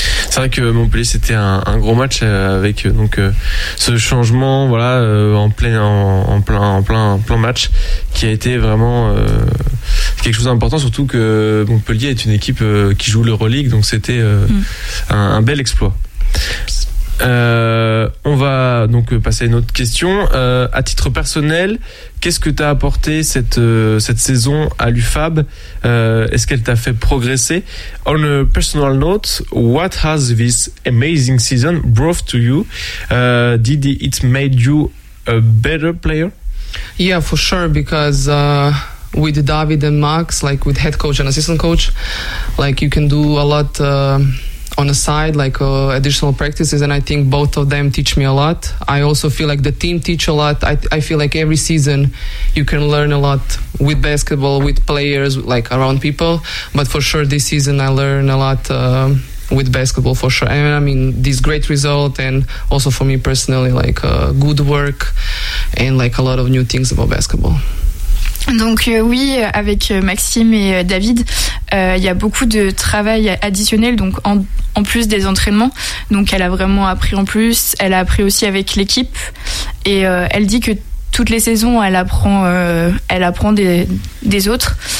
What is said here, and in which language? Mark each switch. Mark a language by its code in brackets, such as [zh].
[fr] C'est vrai que Montpellier c'était un gros match avec donc ce changement voilà en plein match qui a été vraiment quelque chose d'important, surtout que Montpellier est une équipe qui joue l'Euroleague, donc c'était un bel exploit. On va donc passer à une autre question. À titre personnel, qu'est-ce que t'as apporté cette saison à l'UFAB? Est-ce qu'elle t'a fait progresser? [en] On a personal note, what has this amazing season brought to you? Did it made you a better player? Yeah, for sure, because with David and Max, like with head coach and assistant coach, like you can do a lot. On the side, like additional practices, and I think both of them teach me a lot. I also feel like the team teach a lot. I feel like every season you can learn a lot with basketball, with players, like around people. But for sure, this season I learn a lot with basketball, for sure. And I mean, this great result, and also for me personally, like good work and like a lot of new things about basketball. [fr] Donc oui, avec Maxime et David, il y a beaucoup de travail additionnel, donc en plus des entraînements. Donc elle a vraiment appris en plus, elle a appris aussi avec l'équipe. Et elle dit que toutes les saisons, elle apprend des autres.